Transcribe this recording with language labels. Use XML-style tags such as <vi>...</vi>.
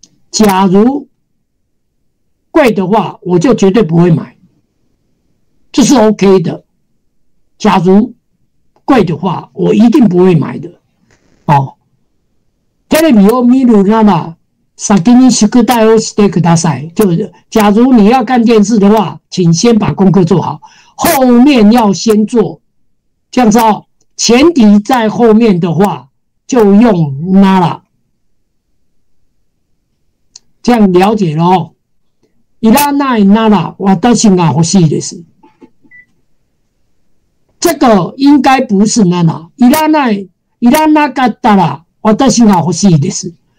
<zh>假如贵的话我就绝对不会买，这是 OK 的。假如贵的话我一定不会买的。</zh> <ja>哦，テレビを見るなら先に宿題をしてください。</ja> <zh>就是假如你要看电视的话，请先把功课做好，后面要先做。这样子哦，前提在后面的话，就用那啦。这样了解咯。</zh> <ja>いらないなら私が欲しいです。</ja> <zh>这个应该不是那啦。</zh> <ja>いらない、いらなかったら私が欲しいです。</ja>